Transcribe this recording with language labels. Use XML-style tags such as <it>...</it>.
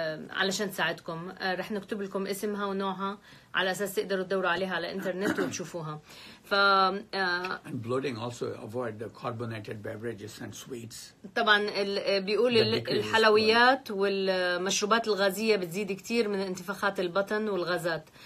<ar>علشان تساعدكم. رح نكتب لكم اسمها ونوعها على أساس تقدروا تدوروا عليها على الإنترنت وتشوفوها.</ar> <en>And bloating also, avoid the carbonated beverages and sweets.</en> <ar>طبعا بيقول الحلويات والمشروبات الغازية بتزيد كتير من انتفاخات البطن والغازات.</ar>